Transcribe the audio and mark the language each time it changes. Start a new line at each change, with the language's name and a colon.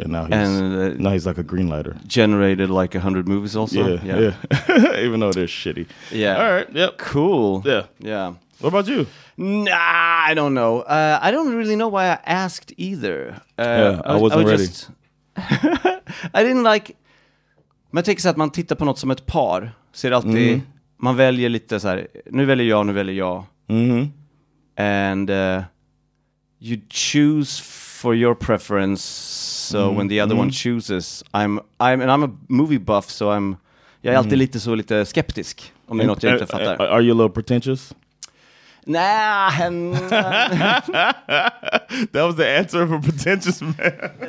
English: And now he's now he's like a green lighter. Generated like 100 movies also. Yeah. Even though they're shitty. Yeah. All right. Yep. Cool. Yeah. Yeah. What about you? Nah, I don't know. I don't really know why I asked either. I wasn't ready. Just... I didn't like...
Swedish: Man tänker sig att man tittar på något som ett par. Ser alltid... Mm. Man väljer lite så här... Nu väljer jag. Mm.
English: And you choose for your preference. So when the other one chooses... I'm a movie buff, so I'm...
Swedish: Jag är alltid lite så lite skeptisk. Om det är något jag inte fattar.
English: Are you a little pretentious? Nah. That was the answer of a pretentious man.